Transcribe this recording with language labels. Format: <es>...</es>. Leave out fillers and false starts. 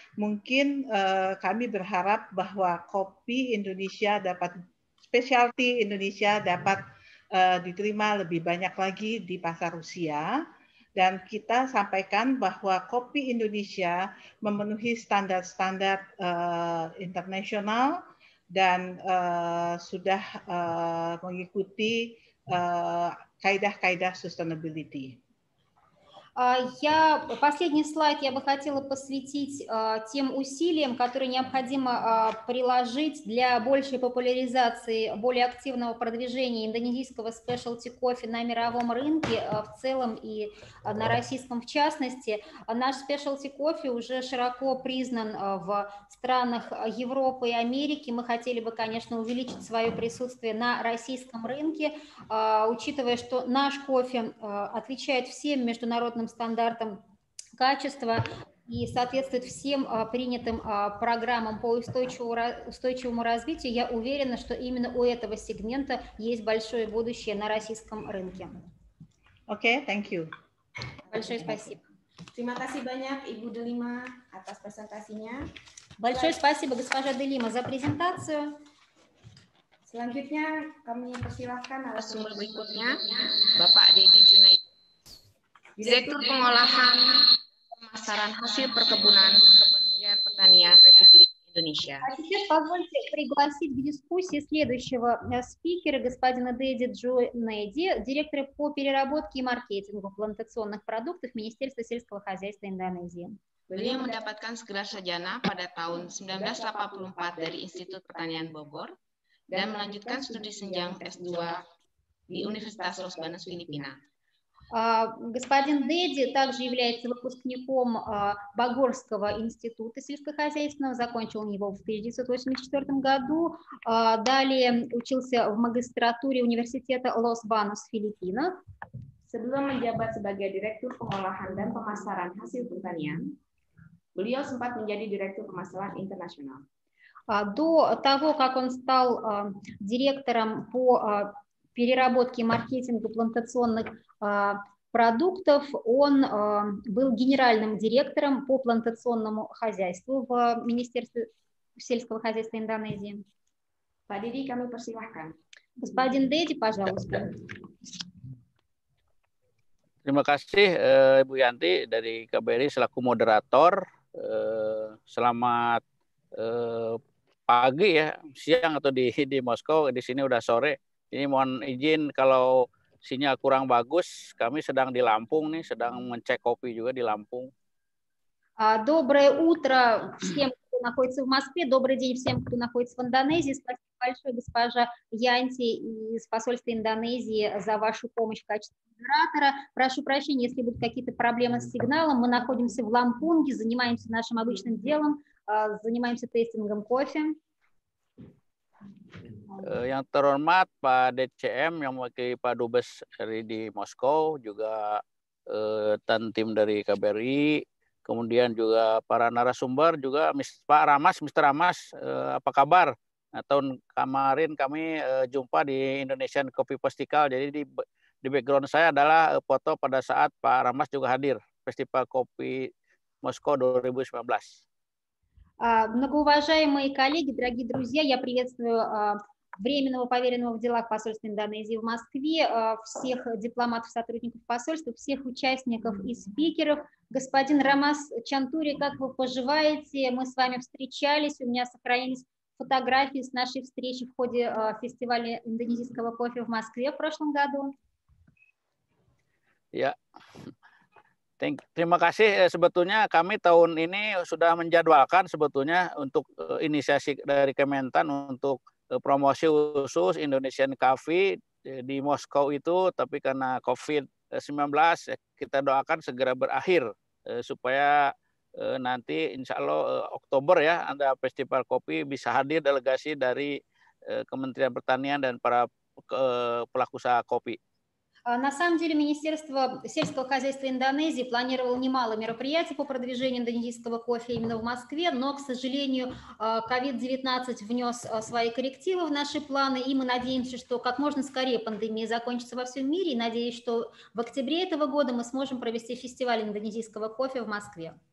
<id>Mungkin kami berharap bahwa kopi Indonesia dapat specialty Indonesia dapat diterima lebih banyak lagi di pasar Rusia, dan kita sampaikan bahwa kopi Indonesia memenuhi standar-standar internasional dan sudah mengikuti kaidah-kaidah sustainability.</id> <ru>Я последний слайд я бы хотела посвятить тем усилиям, которые необходимо приложить для большей популяризации, более активного продвижения индонезийского specialty кофе на мировом рынке в целом и на российском в частности. Наш specialty кофе уже широко признан в странах Европы и Америки. Мы хотели бы, конечно, увеличить свое присутствие на российском рынке, учитывая, что наш кофе отвечает всем международным стандартам качества и соответствует всем принятым программам по устойчивому развитию. Я уверена, что именно у этого сегмента есть большое будущее на российском рынке.</ru> <en>Окей, thank you.</en> <ru>Большое спасибо.</ru> <id>Terima kasih banyak Ibu Delima atas presentasinya.</id> <ru>Большое спасибо госпожа Делима за презентацию.</ru> <id>Selanjutnya kami persilahkan narasumber berikutnya, Bapak Dedi Junaidi. Direktur Pengolahan Pemasaran Hasil Perkebunan Kementerian Pertanian Republik Indonesia.</id> <ru>Сейчас позвольте пригласить к дискуссии следующего спикера, господина Дэдди Джунейди, директора по переработке и маркетингу плантационных продуктов Министерства сельского хозяйства Индонезии.</ru> <id>Beliau mendapatkan gelarsarjana pada tahun 1984 dari Institut Pertanian Bogor dan melanjutkan studi senjang S2 di Universitas Los Banos Filipina.</id> <ru>Господин Дэдди также является выпускником Богорского института сельскохозяйственного, закончил его в 1984 году, далее учился в магистратуре университета Лос Банос Филиппина.</ru> <id>Sebelum menjabat sebagai direktur pengolahan dan pemasaran hasil pertanian, beliau sempat menjadi direktur pemasaran internasional.</id> <ru>До того, как он стал директором по переработке и маркетингу плантационных продуктов, он был генеральным директором по плантационному хозяйству в Министерстве сельского хозяйства Индонезии.</ru> <id>Pak Didi, kami persilahkan.</id> <ru>Господин Дэдди, пожалуйста.</ru> <id>Terima kasih, Ibu Yanti dari KBRI selaku moderator. Selamat pagi ya, siang atau di Moskow, di sini udah sore. Ini mohon izin kalau sinyal kurang bagus, kami sedang di Lampung nih, sedang mencek kopi juga di Lampung.</id> <ru>Доброе утро всем, кто находится в Москве. Добрый день всем, кто находится в Индонезии. Спасибо. большое, госпожа Янти из посольства Индонезии, за вашу помощь в качестве оператора. Прошу прощения, если будут какие-то проблемы с сигналом. Мы находимся в Лампунге, занимаемся нашим обычным делом, занимаемся тестингом кофе.</ru> <id>Yang terhormat Pak DCM yang mewakili Pak Dubes RI di Moskow, juga dan tim dari KBRI, kemudian juga para narasumber, juga Pak Ramas, Mr. Ramas, apa kabar? Nah, tahun kemarin kami jumpa di Indonesian Coffee Festival, jadi di background saya adalah foto pada saat Pak Ramas juga hadir Festival Kopi Moskow 2019.</id> <ru>Многоуважаемые коллеги, дорогие друзья, я приветствую временного поверенного в делах посольства Индонезии в Москве, всех дипломатов, сотрудников посольства, всех участников и спикеров. Господин Рамас Чантури, как вы поживаете? Мы с вами встречались, у меня сохранились фотографии с нашей встречи в ходе фестиваля индонезийского кофе в Москве в прошлом году.</ru> <id>Terima kasih. Sebetulnya kami tahun ini sudah menjadwalkan sebetulnya untuk inisiasi dari Kementan untuk promosi khusus Indonesian Coffee di Moskow itu, tapi karena COVID-19 kita doakan segera berakhir supaya nanti insya Allah Oktober ya ada festival kopi bisa hadir delegasi dari Kementerian Pertanian dan para pelaku usaha kopi.</id> <ru>На самом деле, Министерство сельского хозяйства Индонезии планировало немало мероприятий по продвижению индонезийского кофе именно в Москве, но, к сожалению, COVID-19 внес свои коррективы в наши планы, и мы надеемся, что как можно скорее пандемия закончится во всем мире, и надеюсь, что в октябре этого года мы сможем провести фестиваль индонезийского кофе в Москве.</ru>